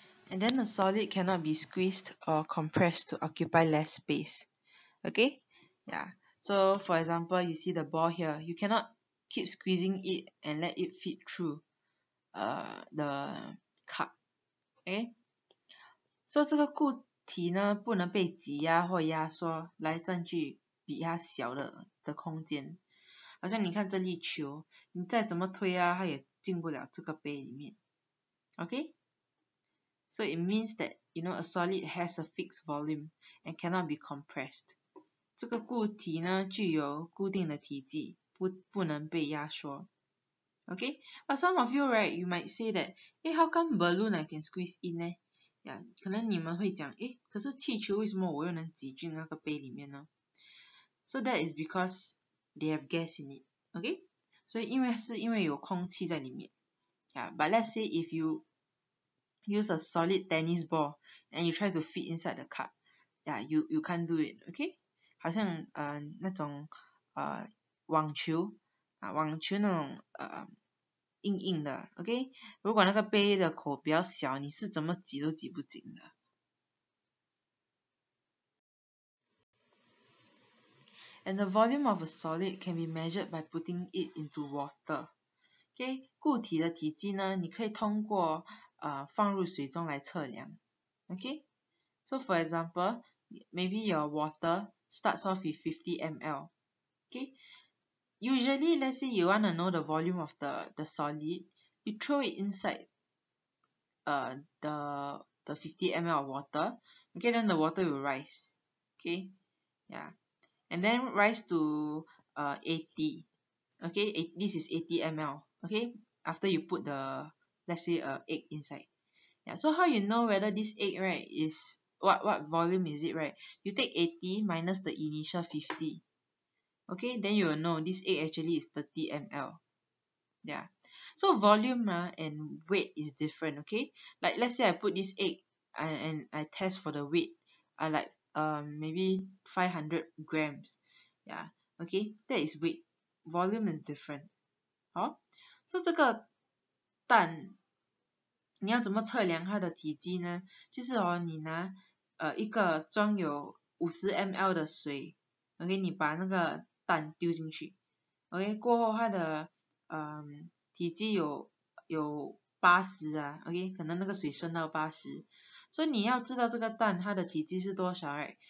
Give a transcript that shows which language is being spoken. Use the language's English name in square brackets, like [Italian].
[English] And then a solid cannot be squeezed or compressed to occupy less space. Okay? Yeah. So, for example, you see the ball here. You cannot keep squeezing it and let it fit through the cup. Okay? [Chinese] So, 这个固体呢不能被挤压或压缩来占据比它小的空间。好像你看这粒球，你再怎么推啊，它也进不了这个杯里面。 [English] Okay? So it means that, you know, a solid has a fixed volume and cannot be compressed. [Chinese] 这个固体呢具有固定的体积，不能被压缩。 [English] Okay? But some of you, right, you might say that, hey, how come balloon I can squeeze in 呢? [Chinese] Yeah, 可能你们会讲，诶，可是气球为什么我又能挤进那个杯里面呢? [English] So that is because they have gas in it. Okay? [Chinese] 所以因为是因为有空气在里面。 [English] Yeah, but let's say if you use a solid tennis ball and you try to fit inside the cup, yeah, you can't do it, okay? [Chinese] 好像 那种 网球那种 硬硬的, okay? 如果那个杯的口比较小, 你是怎么挤都挤不紧的。 [English] And the volume of a solid can be measured by putting it into water. [Chinese] Okay, 固体的体积呢, 你可以通过, 放入水中来测量. [English] Okay, so for example, maybe your water starts off with 50 ml. Okay, usually, let's say you want to know the volume of the solid, you throw it inside the 50 ml of water. Okay, then the water will rise. Okay, yeah. And then rise to 80, okay, this is 80 ml, okay, after you put the, let's say, egg inside. Yeah. So how you know whether this egg, right, is, what volume is it, right? You take 80 minus the initial 50, okay, then you will know this egg actually is 30 ml. Yeah. So volume and weight is different, okay? Like, let's say I put this egg and I test for the weight, I like, maybe 500 grams, yeah, okay, that is weight, volume is different, huh? [Chinese] So 这个蛋, 你要怎么测量它的体积呢? 就是哦, 你拿, 一个装有 50 ml的水, okay, 你把那个蛋丢进去, okay, 过后它的, 体积有 80啊, okay, 可能那个水深到 80, 所以你要知道这个蛋它的体积是多少, right?